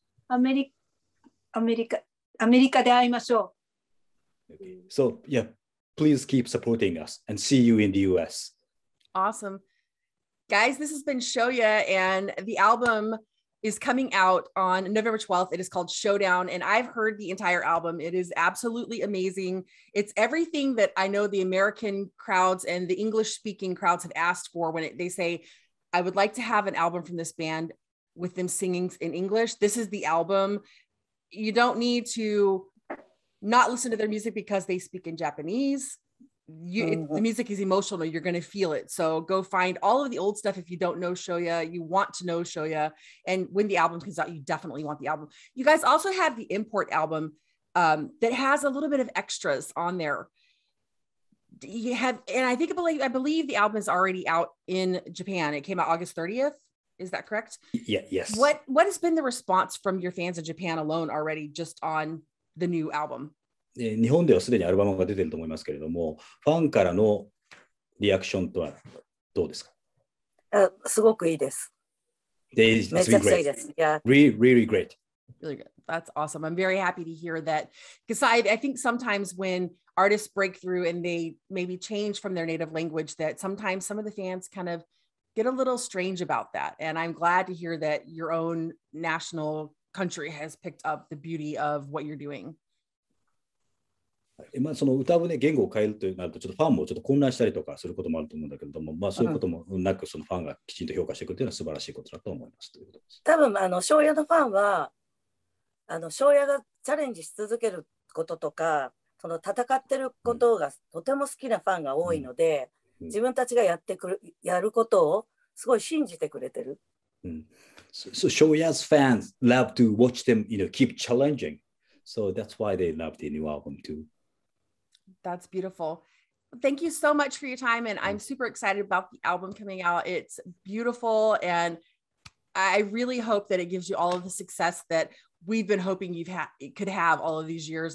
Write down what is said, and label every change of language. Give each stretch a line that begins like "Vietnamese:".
Japanese: アメリカで会いましょう。
English: Okay. So, yeah, please keep supporting us and see you in the US. Awesome. Guys, this has been Shoya and the album is coming out on November 12th. It is called Showdown and I've heard the entire album. It is absolutely amazing. It's everything that I know the American crowds and the English speaking crowds have asked for when they say, I would like to have an album from this band with them singing in English. This is the album. You don't need to not listen to their music because they speak in Japanese. The music is emotional. You're going to feel it. So go find all of the old stuff. If you don't know Shoya, you want to know Shoya. And when the album comes out, you definitely want the album. You guys also have the import album that has a little bit of extras on there. You have, and I believe the album is already out in Japan. It came out August 30th. Is that correct? Yeah. Yes. What has been the response from your fans in Japan alone already just on the new album?
Japanese: 日本ではすでにアルバムが出てると思いますけれども、ファンからのリアクションとはどうですか？すごくいいです。めちゃくちゃいいです。
English: Yeah. Really great. Really good. That's awesome. I'm very happy to hear that. Because I think sometimes when artists break through and they maybe change from their native language, that sometimes some of the fans kind of get a little strange about that. And I'm glad to hear that your own national country has picked up the beauty of what you're doing.
Japanese: まあ、その歌をね言語を変えるとなるとちょっとファンもちょっと混乱したりとかすることもあると思うんだけども、まあ、そういうこともなくそのファンがきちんと評価してくるというのは素晴らしいことだと思いますということです。多分翔也のファンは翔也がチャレンジし続けることとかその戦ってることがとても好きなファンが多いので、うんうんうん、自分たちがやることをすごい信じてくれてる。
English: うん、So Shoya's fans love to watch them, you know, keep challenging. So that's why they love the new album too. That's beautiful. Thank you so much for your time. And I'm super excited about the album coming out. It's beautiful. And I really hope that it gives you all of the success that we've been hoping you've had, could have all of these years.